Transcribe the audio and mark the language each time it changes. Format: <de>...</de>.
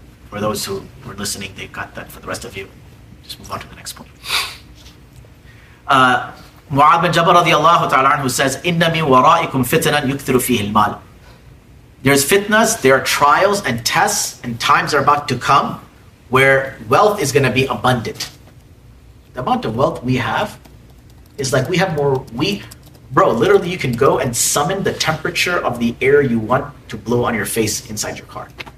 <en>For those who were listening, they got that. For the rest of you, just move on to the next point.</en> <ar>معاذ بن جبل رضي الله تعالى عنه says, إن من ورائكم فتنا يكثر فيه المال.</ar> <en>There's fitnas, there are trials and tests, and times are about to come where wealth is going to be abundant. The amount of wealth we have is like we have more. Bro, literally you can go and summon the temperature of the air you want to blow on your face inside your car.</en>